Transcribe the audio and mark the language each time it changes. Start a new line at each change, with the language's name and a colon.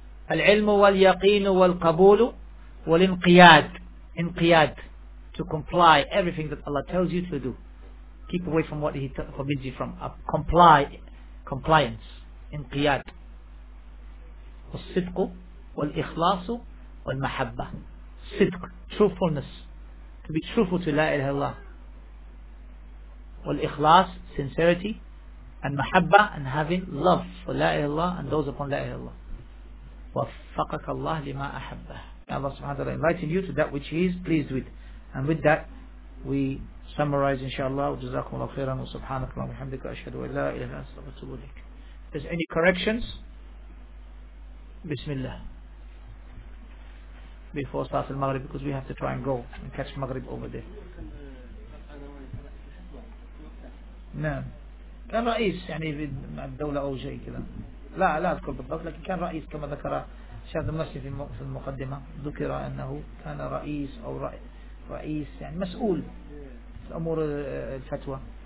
Arabic: العلم واليقين والقبول والانقياد.
English: انقياد, to comply everything that Allah tells you to do. Keep away from what He forbids you from. Comply, compliance, انقياد.
Arabic: والصدق والإخلاص والمحبة.
English: صدق, truthfulness, to be truthful to La ilaha illallah. والإخلاص, sincerity, and محبة, and having love for La ilaha illallah and those upon La ilaha illallah.
Arabic: وفقك الله لما أحبه.
English: Allah subhanahu wa ta'ala inviting you to that which He is pleased with. And with that, we summarize inshallah.
Arabic: جزاكم الله خيرا وسبحانك اللهم وبحمدك أشهد أن لا إله إلا أنت أستغفرك وأتوب إليك.
English: If there's any corrections, Bismillah. Before start al Maghrib, because we have to try and go and catch Maghrib over there.
Arabic: نعم. كان رئيس يعني في الدولة أو شيء كذا. لا لا أذكر بالضبط, لكن كان رئيس كما ذكر شاهد المسجد في المقدمة, ذكر أنه كان رئيس أو رئيس يعني مسؤول في أمور الفتوى.